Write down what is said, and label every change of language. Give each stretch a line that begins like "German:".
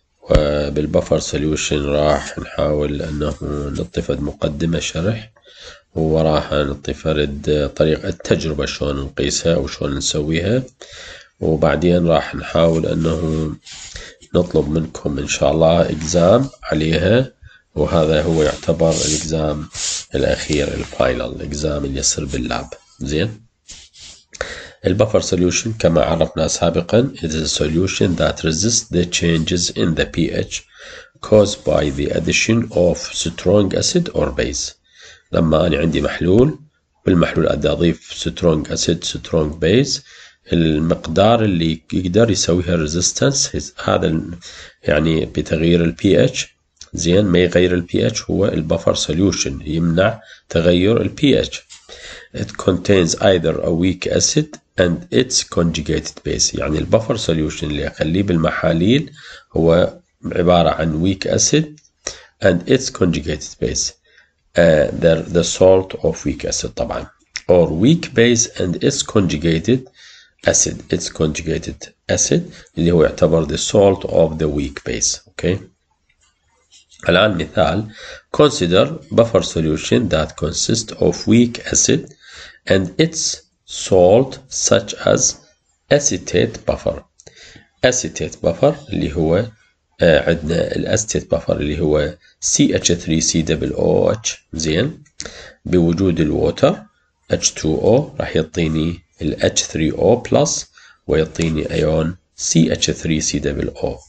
Arabic: وبالبفر سوليوشن راح نحاول أنه نعطي فد مقدمة شرح، وراح نعطي فرد طريقة التجربة شلون نقيسها وشلون نسويها، وبعدين راح نحاول أنه نطلب منكم إن شاء الله إجزام عليها، وهذا هو يعتبر الإجزام الأخير الفاينل إجزام اللي يصير باللاب. زين، البفر سوليوشن كما عرفنا سابقا
English: is a solution that resists the changes in the pH caused by the addition of strong acid or base.
Arabic: لما أنا عندي محلول، بالمحلول أدي أضيف
English: strong acid strong base،
Arabic: المقدار اللي يقدر يسويها resistance هذا يعني بتغيير ال pH. زين، ما يغير الـ pH، هو البفر سوليوشن يمنع تغير الـ pH.
English: It contains either a weak acid and its conjugated base.
Arabic: يعني البفر سوليوشن اللي أخليه بالمحاليل هو عبارة عن
English: weak acid and its conjugated base. The salt of weak acid طبعا. Or weak base and its conjugated acid. Its conjugated acid
Arabic: اللي هو يعتبر
English: the salt of the weak base. Okay.
Arabic: الآن مثال:
English: consider buffer solution that consists of weak acid and its salt such as acetate buffer.
Arabic: Acetate buffer اللي هو عندنا الأسيتات buffer اللي هو CH3COOH. زين، بوجود الووتر H2O راح يعطيني ال H3O plus ويعطيني أيون CH3COO.